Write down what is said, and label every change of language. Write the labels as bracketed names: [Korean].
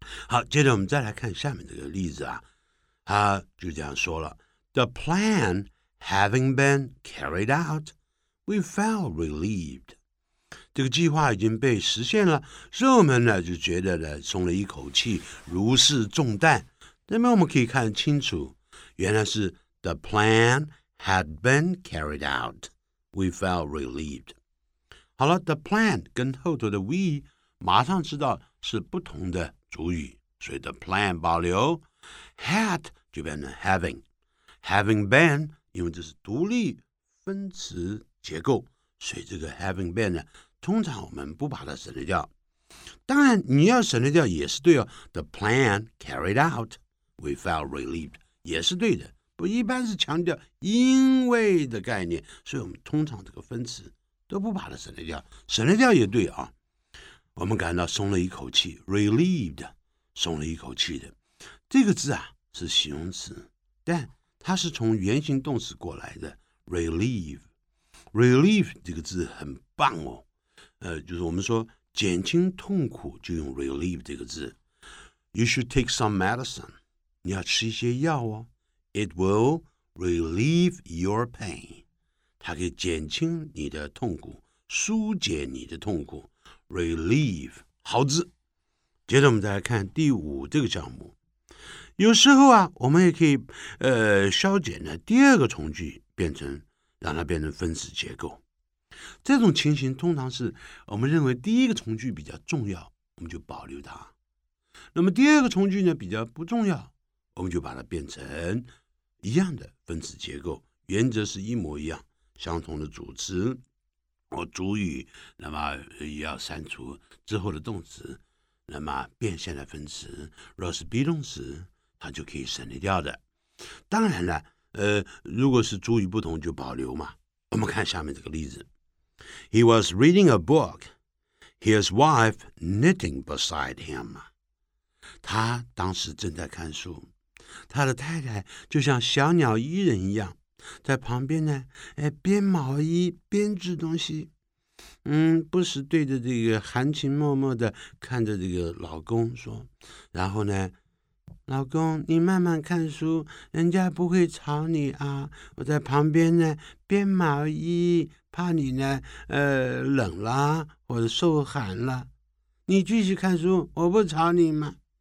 [Chinese] 好，接着我们再来看下面这个例子啊，他就这样说了， The plan having been carried out, we felt relieved. 这个计划已经被实现了，所以我们呢就觉得呢松了一口气，如释重担。那么我们可以看清楚，原来是 The planhad been carried out, we felt relieved. 好了， the plan 跟后头的 we 马上知道是不同的主语，所以 the plan 保留， had 就变成 having, having been 因为这是独立分词结构，所以这个 having been 呢通常我们不把它省略掉，当然你要省略掉也是对哦， the plan carried out, we felt relieved 也是对的，我一般是强调因为的概念，所以我们通常这个分词都不把它省略掉，省略掉也对啊。我们感到松了一口气 ，relieved, 松了一口气的。这个字啊是形容词，但它是从原形动词过来的 ，relieve。 relieve 这个字很棒哦，就是我们说减轻痛苦就用 relieve 这个字。 You should take some medicine, 你要吃一些药哦。 [English] It will relieve your pain. [Chinese] 它可以减轻你的痛苦，疏解你的痛苦。 Relieve, 好字。接着我们再来看第五这个项目。有时候啊，我们也可以消减呢第二个从句，变成让它变成分词结构。这种情形通常是我们认为第一个从句比较重要，我们就保留它。那么第二个从句呢比较不重要，我们就把它变成一样的分词结构，原则是一模一样，相同的主词或主语，那么也要删除之后的动词，那么变现的分词若是 be 动词，它就可以省略掉的。当然了，如果是主语不同就保留嘛。 [English] 我们看下面这个例子， He was reading a book, his wife knitting beside him. [Chinese] 他当时正在看书，他的太太就像小鸟依人一样在旁边呢，编毛衣编织东西，不时对着这个含情脉脉的看着这个老公说，然后呢，老公你慢慢看书，人家不会吵你啊，我在旁边呢编毛衣，怕你呢冷了或者受寒了，你继续看书，我不吵你吗？